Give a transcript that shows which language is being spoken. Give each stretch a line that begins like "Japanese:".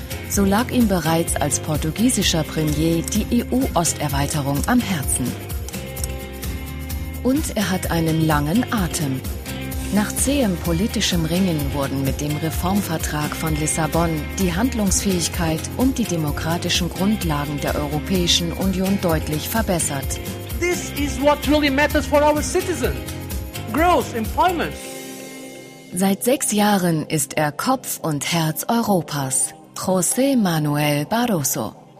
German: So lag ihm bereits als portugiesischer Premier die EU-Osterweiterung am Herzen. Und er hat einen langen Atem. Nach zähem politischem Ringen wurden mit dem Reformvertrag von Lissabon die Handlungsfähigkeit und die demokratischen Grundlagen der Europäischen Union deutlich verbessert.
English: This is what really matters for our citizens. Growth, employment.
German: Seit 6 Jahren ist er Kopf und Herz Europas, José Manuel Barroso.